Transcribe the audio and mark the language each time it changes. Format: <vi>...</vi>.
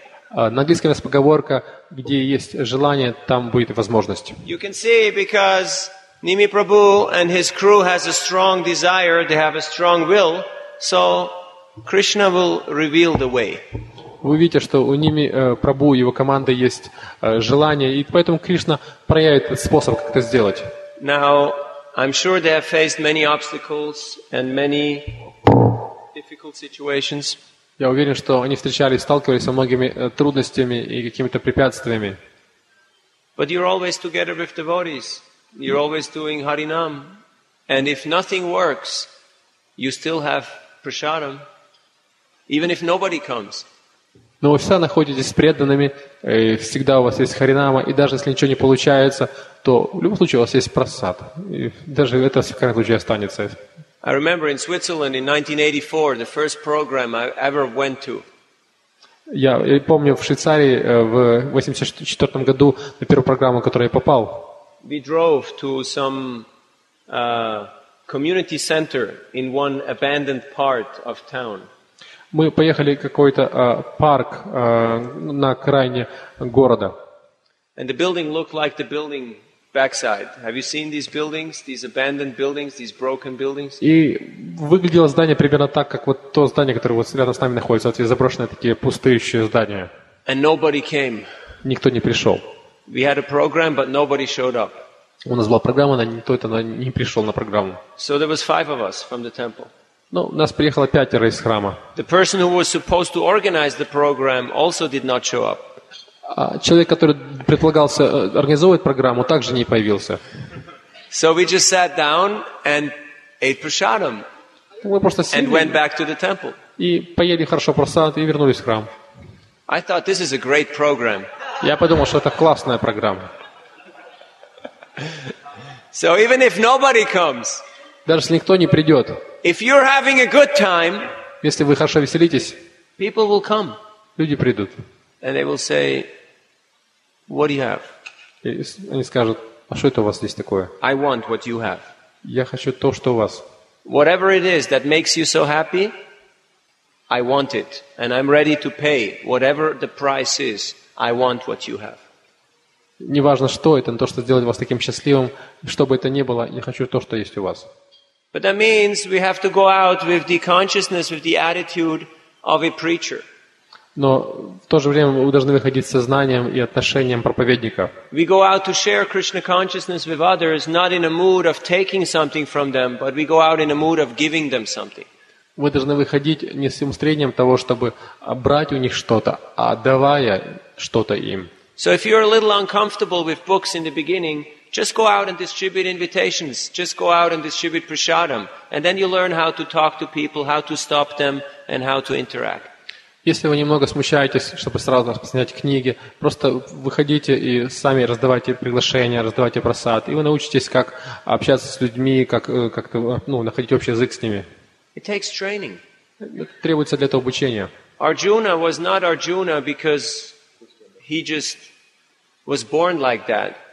<ru>На английском есть поговорка, где есть желание, там будет возможность.</ru> <en>You can see, because Nimi Prabhu and his crew has a strong desire, they have a strong will, so Krishna will reveal the way.</en> <ru>Вы видите, что у Nimi Prabhu и его команды есть желание, и поэтому Кришна проявит способ, как это сделать.</ru> <en>Now, I'm sure they have faced many obstacles and many difficult situations.</en> <ru>Я уверен, что они встречались, сталкивались со многими трудностями и какими-то препятствиями.</ru> <en>But you're always together with devotees. You're always doing Harinam. And if nothing works, you still have prasadam, even if nobody comes.</en> <ru>Но вы всегда находитесь с преданными, всегда у вас есть Харинама, и даже если ничего не получается, то в любом случае у вас есть прасад. И даже это в всяком случае останется.</ru> <en>I remember in Switzerland in 1984 the first program I ever went to.</en> <ru>Я помню в Швейцарии в 84 году на первую программу, в которую я попал.</ru> <en>We drove to some community center in one abandoned part of town.</en> <ru>Мы поехали в какой-то парк на окраине города.</ru> <en>And the building looked like the building backside. Have you seen these buildings, these abandoned buildings, these broken buildings?</en> <ru>И выглядело здание примерно так, как вот то здание, которое вот рядом с нами находится, эти заброшенные такие пустующие здания.</ru> <en>And nobody came.</en> <ru>Никто не пришел.</ru> <en>We had a program, but nobody showed up.</en> <ru>У нас была программа, но никто это не пришел на программу.</ru> <en>So there was 5 of us from the temple.</en> <ru>Ну, нас приехало 5 из храма.</ru> <en>The person who was supposed to organize the program also did not show up.</en> <ru>Человек, который предполагался организовывать программу, также не появился.</ru> <en>So we just sat down and ate prasadam.</en> <ru>Мы просто сели</ru> <en>and went back to the temple.</en> <ru>И поели хорошо прасад и вернулись в храм.</ru> <en>I thought this is a great program.</en> <ru>Я подумал, что это классная программа.</ru> <en>So even if nobody comes,</en> <ru>даже если никто не придет,</ru> <en>if you're having a good time,</en> <ru>если вы хорошо веселитесь,</ru> <en>people will come.</en> <ru>Люди придут.</ru> <en>And they will say, What do you have?</en> <ru>И они скажут: а что это у вас здесь такое?</ru> <en>I want what you have.</en> <ru>Я хочу то, что у вас.</ru> <en>Whatever it is that makes you so happy, I want it, and I'm ready to pay whatever the price is. I want what you have.</en> <ru>Неважно, что это, но то, что сделает вас таким счастливым, что бы это ни было, я хочу то, что есть у вас.</ru> <en>But that means we have to go out with the consciousness, with the attitude of a preacher.</en> <ru>Но в то же время вы должны выходить с сознанием и отношением проповедника.</ru> <en>We go out to share Krishna consciousness with others, not in a mood of taking something from them, but we go out in a mood of giving them something.</en> <ru>Вы должны выходить не с устремлением того, чтобы брать у них что-то, а давая что-то им.</ru> <en>So if you're a little uncomfortable with books in the beginning, just go out and distribute invitations. Just go out and distribute prasadam, and then you learn how to talk to people, how to stop them, and how to interact.</en> <ru>Если вы немного смущаетесь, чтобы сразу распространять книги, просто выходите и сами раздавайте приглашения, раздавайте просад, и вы научитесь, как общаться с людьми, как-то находить общий язык с ними.</ru> <en>It takes training.</en> <ru>Требуется для этого обучение.</ru> <en>Arjuna was not Arjuna because he just was born like that.</en>